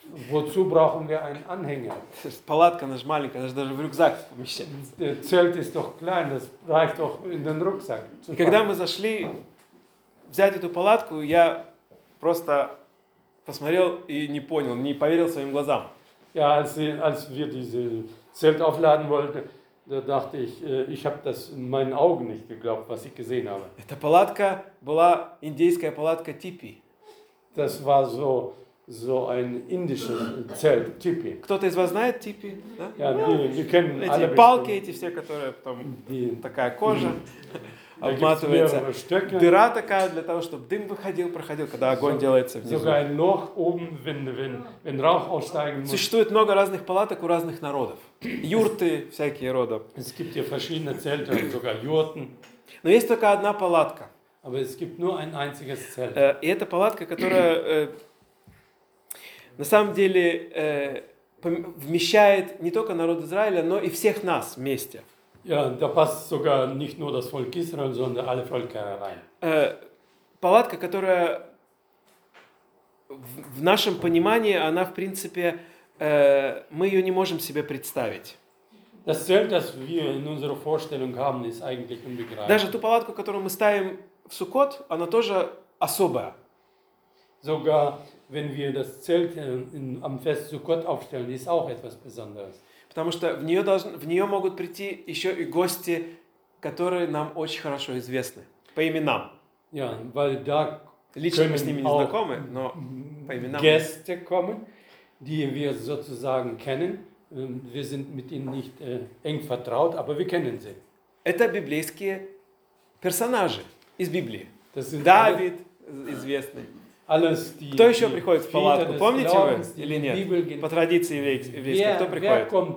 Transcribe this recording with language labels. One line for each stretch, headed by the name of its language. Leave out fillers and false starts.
German: Wozu brauchen wir einen Anhänger?
Russian: Палатка, она же маленькая, она же даже в рюкзак помещается.
German: Zelt ist doch klein, das reicht doch in den Rucksack.
Russian: И когда мы зашли взять эту палатку, я просто посмотрел и не понял, не поверил своим глазам.
German: Ja, als wir diese Zelt aufladen wollten, da dachte ich, ich habe das in meinen Augen nicht geglaubt, was ich gesehen habe.
Russian: Эта палатка была индейская палатка Типи.
German: Das war so ein indisches Zelt, Tipi.
Russian: Кто-то из вас знает Типи?
German: Ja, wir kennen alle.
Russian: Эти палки, эти все, которые там такая кожа обматывается. Дыра такая для того, чтобы дым выходил, проходил, когда огонь делается внизу.
German: Sogar ein Loch oben, wenn Rauch aussteigen muss.
Russian: Существует много разных палаток у разных народов. Юрты всякие рода.
German: Es gibt hier verschiedene Zelte, sogar Jurten.
Russian: Но есть только одна палатка.
German: Aber es gibt nur ein einziges Zelt.
Russian: И эта палатка, которая на самом деле вмещает не только народ Израиля, но и всех нас вместе.
German: Ja, da passt sogar nicht nur das Volk Israel, sondern alle Völker rein.
Russian: Палатка, которая в нашем понимании, она в принципе, мы ее не можем себе представить.
German: Das Zelt, das wir in unserer Vorstellung haben, ist eigentlich unbegreiflich.
Russian: Даже ту палатку, которую мы ставим в Суккот, она тоже особая.
German: Sogar wenn wir das Zelt am Fest Sukkot aufstellen, ist auch etwas Besonderes.
Russian: Потому что в нее могут прийти еще и гости, которые нам очень хорошо известны по именам.
German: Ja, weil da
Russian: лично мы с ними не знакомы, но по именам.
German: Gäste kommen, die wir sozusagen kennen. Wir sind mit ihnen nicht eng vertraut, aber wir kennen sie.
Russian: Это библейские персонажи из Библии.
German: Das sind
Russian: Давид, известный.
German: Alles, die,
Russian: кто еще приходит в палатку? Помните вы или нет? По традиции еврейской, кто приходит?